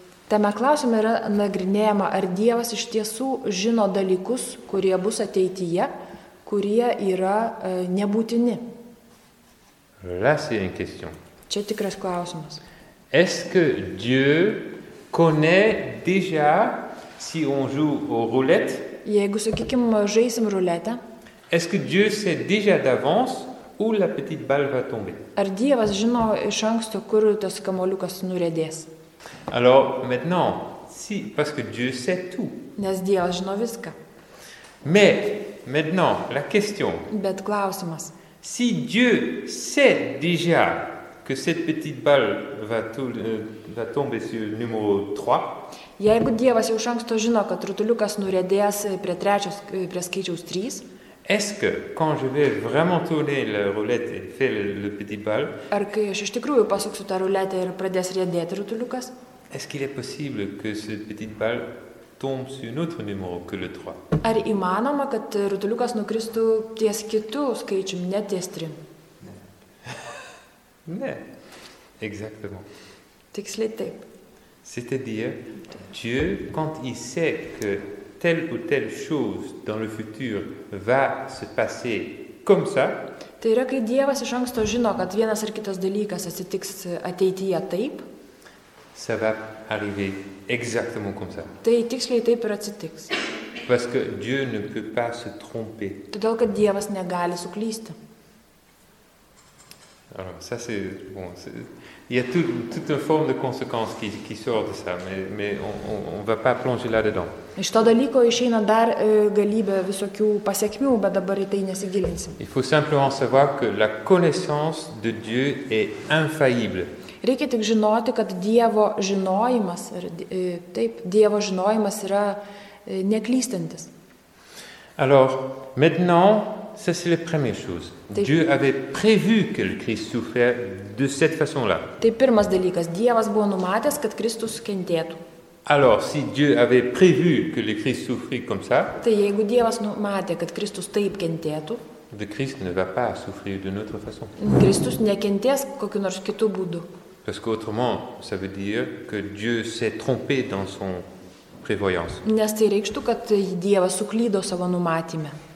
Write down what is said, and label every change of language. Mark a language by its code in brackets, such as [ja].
[lt] Tame klausime yra nagrinėjama, ar Dievas iš tiesų žino dalykus, kurie bus ateityje, kurie yra nebūtini. [fr] Là, c'est une question. [lt] Čia tikras klausimas. [fr] Est-ce que Dieu connaît déjà, si on joue au roulette? [lt] Jeigu, sakykim, žaisim ruletę. [fr] Est-ce que Dieu sait déjà d'avance où la petite balle va tomber? [lt] Ar Dievas žino iš anksto, kur tas kamoliukas nurėdės? [fr] Alors maintenant, si, parce que Dieu sait tout. [lt] Nes Dievas žino viską. [fr] Mais maintenant, la question. [lt] Bet klausimas. [fr] Si Dieu sait déjà que cette petite balle va tomber sur le numéro 3. [lt] Jeigu Dievas jau iš anksto žino, kad rutuliukas nurėdės prie trečios, prie skaičiaus 3. [fr] Est-ce que quand je vais vraiment tourner la roulette et faire le petit ball? [lt] Ar kai aš iš tikrųjų pasuksiu tą ruletę ir pradės riedėti rutuliukas? [fr] Est-ce qu'il est possible que ce petit ball tombe sur un autre numéro que le 3? [lt] Ar įmanoma, kad rutuliukas nukristų ties kitu skaičium, ne ties 3? Ne. [fr] Exactement. [lt] Tiksliai taip. [fr] C'est-à-dire, Dieu, quand il sait que telle ou telle chose dans le futur va se passer comme ça. [lt] Tai yra, kai Dievas iš anksto žino, kad vienas ar kitas dalykas atsitiks ateityje taip. [fr] Ça va arriver exactement comme ça. [lt] Tai tiksliai taip ir atsitiks. [fr] Parce que Dieu ne peut pas se tromper. [lt] Todėl, kad Dievas negali suklysti. [fr] Alors, ça c'est bon, il y a toute une forme de conséquence qui sort de ça, mais on va pas plonger là-dedans. [lt] Iš to dalyko išeina dar galybė visokių pasekmių, bet dabar į tai nesigilinsim. [fr] Il faut simplement savoir que la connaissance de Dieu est infaillible. [lt] Reikia tik žinoti, kad Dievo žinojimas ir taip Dievo žinojimas yra neklystantis. [fr] Alors, maintenant, ça c'est la première chose. [lt] Taip, [fr] Dieu avait prévu que le Christ souffrait de cette façon-là. [lt] Tai pirmas dalykas, Dievas buvo numatęs, kad Kristus kentėtų. [fr] Alors, si Dieu avait prévu que le Christ souffrit comme ça, [lt] tai jeigu Dievas numatė, kad Kristus taip kentėtų, [fr] le Christ ne va pas souffrir d'une autre façon. [lt] Kristus nekentės kokiu nors kitu būdu. [fr] Parce qu'autrement, ça veut dire que Dieu s'est trompé dans son prévoyance. [lt] Nes tai reikštų, kad Dievas suklydo savo numatyme.